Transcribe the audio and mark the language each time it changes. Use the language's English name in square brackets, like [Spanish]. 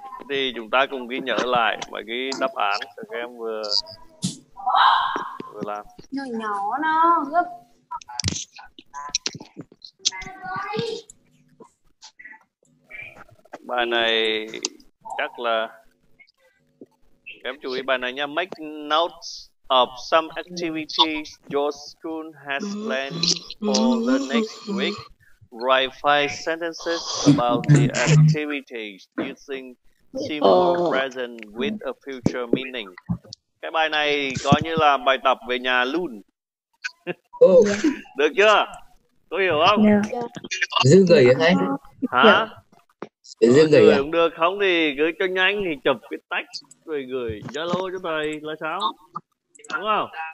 [Vietnamese] Thì chúng ta cùng ghi nhớ lại mấy cái đáp án các em vừa làm. Nhỏ gấp. Bài này chắc là em chú ý bài này nha. [English] Make notes of some activities your school has planned for the next week. Write 5 sentences about the activities using simple present with a future meaning. [Vietnamese] Cái bài này coi như là bài tập về nhà luôn. [English] Yeah. [Vietnamese] Được chưa? Có hiểu không? Giữ người vậy thấy. Hả? Giữ người không được, không thì gửi cho nhanh thì chụp cái tách rồi gửi Zalo cho thầy là sao? Đúng không?